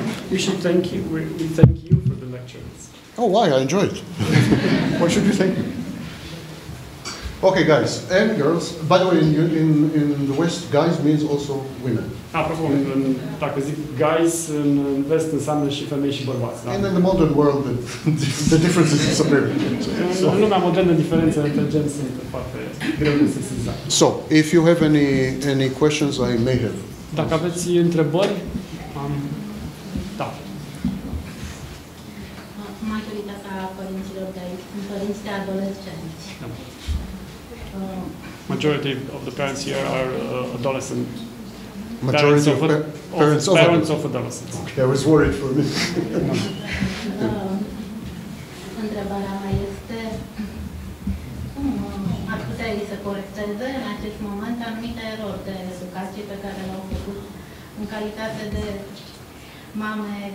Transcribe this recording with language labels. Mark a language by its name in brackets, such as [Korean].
[English] We thank you for the lectures. Oh, why? I enjoy it. Why should you thank me? Okay, guys and girls. By the way, in the West, guys means also women. [Romanian] Apropo, dacă zic guys, în vest înseamnă și femei și bărbați. [English] And da? In the modern world, the difference is disappearing. [Romanian] So, în lumea modernă, diferențele între gen sunt foarte greu de sesizat. [English] So, if you have any questions, I may have. [Romanian] Dacă aveți întrebări, da. Majoritatea părinților gay, sunt părinți de adolescenți. [English] Majority of the parents here are adolescent. Majority parents of parents of adolescents. Okay, I was worried for a minute. [Romanian] Întrebarea mea este cum ar putea ei să corecteze în acest moment anumite erori de educație pe care l-au făcut în calitate de mame